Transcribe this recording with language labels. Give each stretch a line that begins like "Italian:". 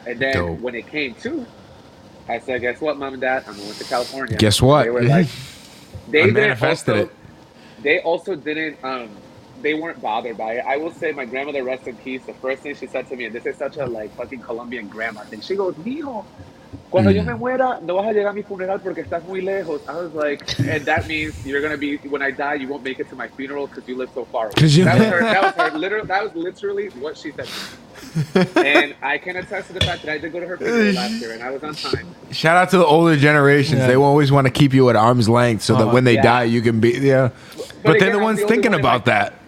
English: And then when it came to, I said, guess what, mom and dad? I'm going to California. Guess what? They were like, they manifested it. They also didn't, they weren't bothered by it. I will say my grandmother, rest in peace, the first thing she said to me, and this is such a like fucking Colombian grandma thing.
Spanish: She goes, mijo, cuando yo me muera, no vas a llegar a mi funeral porque estás muy lejos.
English: I was like, and that means you're going to be, when I die, you won't make it to my funeral because you live so far away. That was literally what she said to me. And I can attest to the fact that I did go to her funeral last year and I was on time. Shout out to the older generations. Yeah. They always want to keep you at arm's length so that when they die, you can be, But they're again, the ones the thinking one about that.